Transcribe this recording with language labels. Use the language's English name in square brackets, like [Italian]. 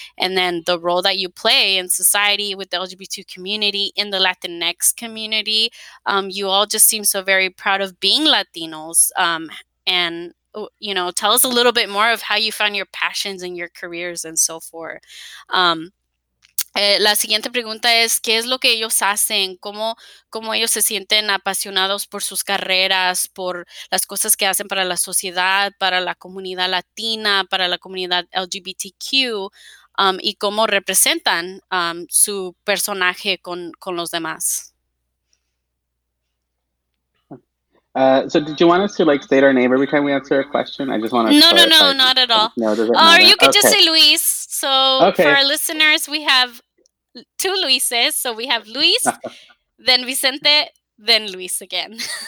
[English] And then the role that you play in society with the LGBT community, in the Latinx community. You all just seem so very proud of being Latinos. And, you know, tell us a little bit more of how you found your passions and your careers and so forth. [Spanish] La siguiente pregunta es, ¿qué es lo que ellos hacen? ¿Cómo ellos se sienten apasionados por sus carreras, por las cosas que hacen para la sociedad, para la comunidad latina, para la comunidad LGBTQ? ¿Y cómo representan su personaje con los demás? [English] So did you want us to like state our name every time we answer a question? I just want to. No, not at all. Or you could just say Luis. So okay. For our listeners, we have two Luises. So we have Luis, then Vicente, then Luis again.